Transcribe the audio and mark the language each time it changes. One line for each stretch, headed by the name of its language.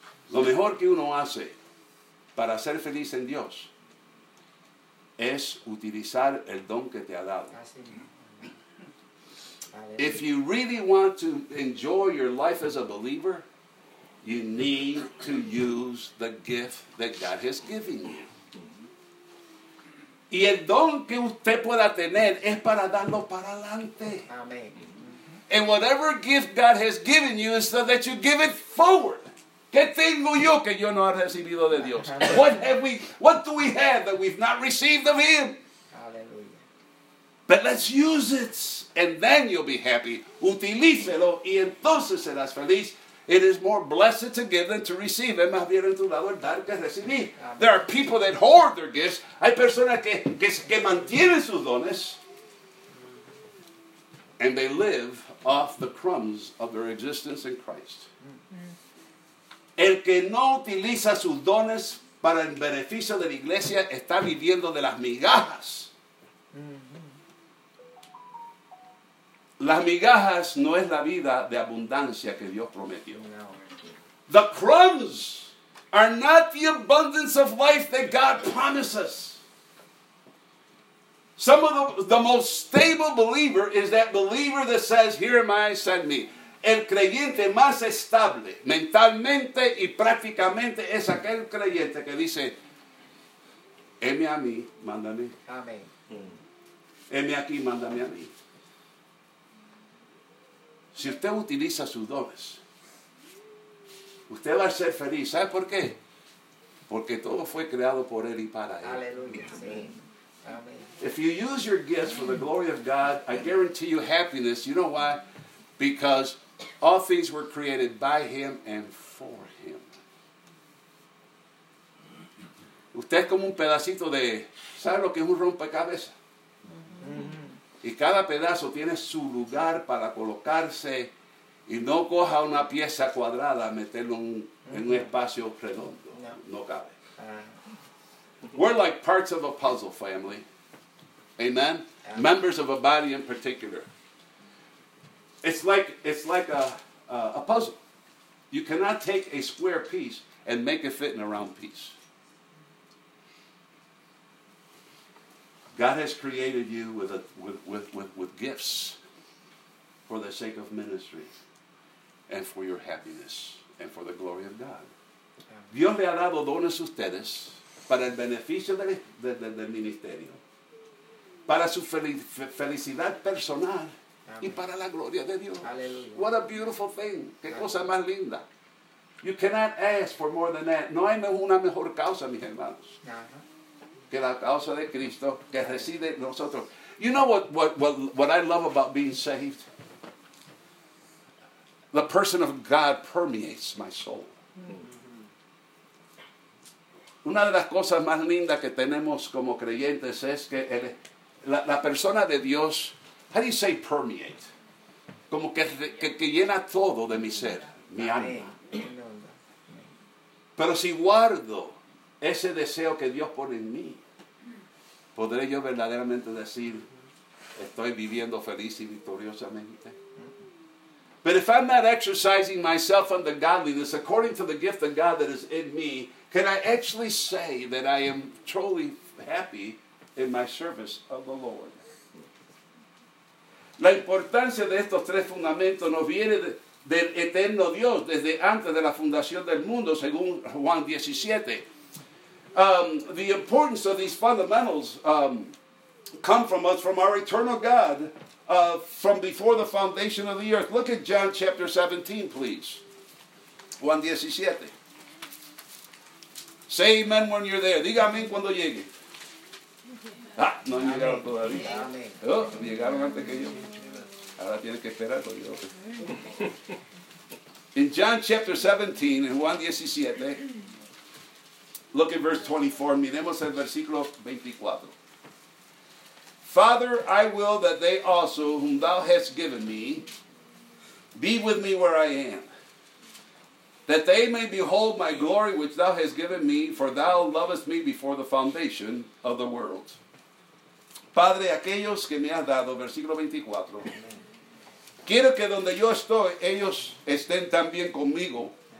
Spanish: Lo mejor que uno hace para ser feliz en Dios es utilizar el don que te ha dado.
English: If you really want to enjoy your life as a believer, you need to use the gift that God has given you.
Spanish: Y el don que usted pueda tener es para darlo para adelante.
English: Amen. And whatever gift God has given you is so that you give it forward.
Spanish: ¿Qué tengo yo que yo no he recibido de Dios?
English: What do we have that we've not received of Him? But let's use it, and then you'll be happy.
Spanish: Utilícelo, y entonces serás feliz.
English: It is more blessed to give than to receive.
Spanish: Es más bienaventurado dar que recibir.
English: There are people that hoard their gifts.
Spanish: Hay personas que mantienen sus dones,
English: and they live off the crumbs of their existence in Christ.
Spanish: El que no utiliza sus dones para el beneficio de la iglesia está viviendo de las migajas. Las migajas no es la vida de abundancia que Dios prometió.
English: The crumbs are not the abundance of life that God promises. Some of the most stable believer is that believer that says, "Here am I, send me."
Spanish: El creyente más estable mentalmente y prácticamente es aquel creyente que dice, "Heme a mí, mándame." Amén. Heme aquí, mándame a mí. Si usted utiliza sus dones, usted va a ser feliz. ¿Sabe por qué? Porque todo fue creado por Él y para Él. Aleluya. Sí.
English: If you use your gifts for the glory of God, I guarantee you happiness. You know why? Because all things were created by Him and for Him.
Spanish: Usted es como un pedacito de... ¿Sabe lo que es un rompecabezas? Y cada pedazo tiene su lugar para colocarse, y no coja una pieza cuadrada, meterlo en un espacio redondo. No cabe.
English: We're like parts of a puzzle, family. Amen? Members of a body in particular. It's like a puzzle. You cannot take a square piece and make it fit in a round piece. God has created you with gifts for the sake of ministry and for your happiness and for the glory of God.
Spanish: Dios le ha dado dones a ustedes para el beneficio del ministerio, para su felicidad personal y para la gloria de Dios.
English: Hallelujah. What a beautiful thing.
Spanish: Qué cosa más linda.
English: You cannot ask for more than that. No hay una mejor causa, mis hermanos. Que la causa de Cristo que reside en nosotros. You know what I love about being saved? The person of God permeates my soul.
Spanish: Una de las cosas más lindas que tenemos como creyentes es que la persona de Dios,
English: how do you say permeate?
Spanish: Como que llena todo de mi ser, mi alma. Pero si guardo ese deseo que Dios pone en mí, ¿podré yo verdaderamente decir, estoy viviendo feliz y victoriosamente?
English: But if I'm not exercising myself unto godliness according to the gift of God that is in me, can I actually say that I am truly happy in my service of the Lord?
Spanish: La importancia de estos tres fundamentos nos viene del eterno Dios desde antes de la fundación del mundo, según Juan 17.
English: The importance of these fundamentals come from us, from our eternal God, from before the foundation of the earth. Look at John chapter 17, please. Juan 17. Say amen when you're there.
Spanish: Diga amén cuando llegue. Ah, no han llegado todavía. Oh, llegaron antes que yo. Ahora tienes que esperar porque yo.
English: In John chapter 17, in Juan 17, look at verse 24.
Spanish: Miremos el versículo 24.
English: Father, I will that they also, whom thou hast given me, be with me where I am, that they may behold my glory which thou hast given me, for thou lovest me before the foundation of the world.
Spanish: Padre, aquellos que me has dado, versículo 24, quiero que donde yo estoy, ellos estén también conmigo,